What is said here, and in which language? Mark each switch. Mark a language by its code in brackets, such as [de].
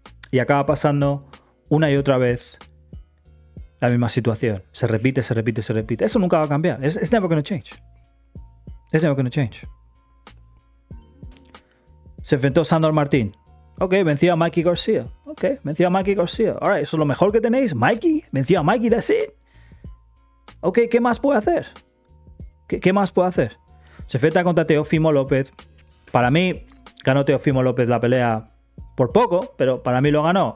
[es] Y acaba pasando una y otra vez la misma situación. Se repite, se repite, se repite. Eso nunca va a cambiar. [en] It's never going to change. It's never going to change. [es] Se enfrentó Sandor Martín. Ok, venció a Mikey García. Ok, venció a Mikey García. All right, eso es lo mejor que tenéis. Mikey, venció a Mikey, [en] that's it. [es] Ok, ¿qué más puede hacer? ¿Qué más puede hacer? Se enfrenta contra Teofimo López. Para mí, ganó Teofimo López la pelea por poco, pero para mí lo ganó.